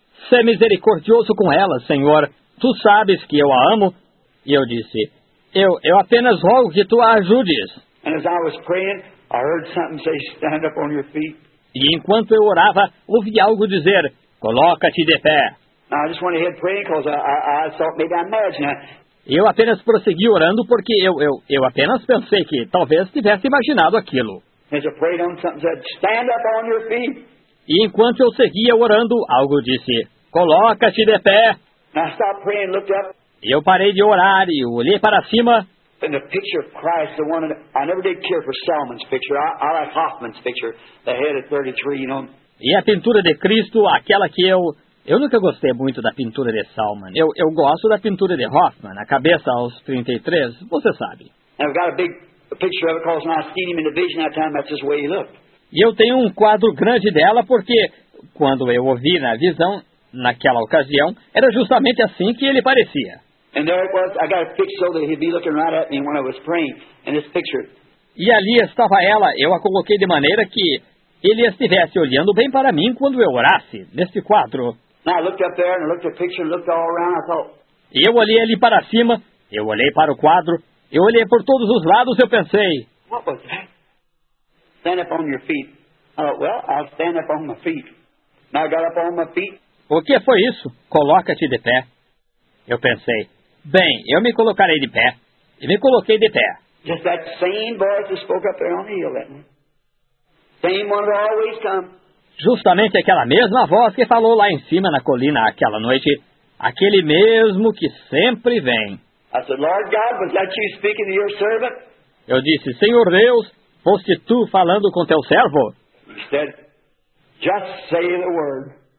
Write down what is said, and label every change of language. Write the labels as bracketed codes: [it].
[pt] Ser misericordioso com ela, Senhor. Tu sabes que eu a amo. E eu disse, eu apenas rogo que tu a ajudes. [en] And as I was praying, I heard something say, stand up on your feet. [pt] E enquanto eu orava, ouvi algo dizer, coloca-te de pé. [en] Now, I just went ahead praying because I thought maybe I'm imagining. [pt] Eu apenas prossegui orando porque eu apenas pensei que talvez tivesse imaginado aquilo. [en] As I prayed on something said, stand up on your feet. [pt] E enquanto eu seguia orando, algo disse, coloca-te de pé. [en] Now, I stopped praying, looked up. [pt] E eu parei de orar e olhei para cima. [en] And the picture of Christ, the one that, I never did care for Selman's picture. I like Hoffman's picture, the head of 33, you know. [pt] E a pintura de Cristo, aquela que eu nunca gostei muito da pintura de Selman. Eu gosto da pintura de Hoffman, a cabeça aos 33, você sabe. [en] And I've got a big picture of it because when I seen him in the vision that time, that's just the way he looked. [pt] E eu tenho um quadro grande dela porque quando eu ouvi na visão, naquela ocasião, era justamente assim que ele parecia. [en] And there it was, I got a picture so that he'd be looking right at me when I was praying in this picture. [pt] E ali estava ela, eu a coloquei de maneira que ele estivesse olhando bem para mim quando eu orasse, neste quadro. [en] Now I looked up there and I looked at the picture and looked all around, I thought. [pt] E eu olhei ali para cima, eu olhei para o quadro, eu olhei por todos os lados, eu pensei. [en] What was that? Stand up on your feet. Well, I'll stand up on my feet. Now I got up on my feet. [pt] O que foi isso? Coloca-te de pé. Eu pensei. Bem, eu me colocarei de pé. E me coloquei de pé. [en] Just that same voice that spoke up there on the hill, that one. Same one that always comes. [pt] Justamente aquela mesma voz que falou lá em cima na colina aquela noite. Aquele mesmo que sempre vem. [en] I said, Lord God, was that you speaking to your servant? [pt] Eu disse, Senhor Deus, foste tu falando com teu servo? [en] He said, just say the word.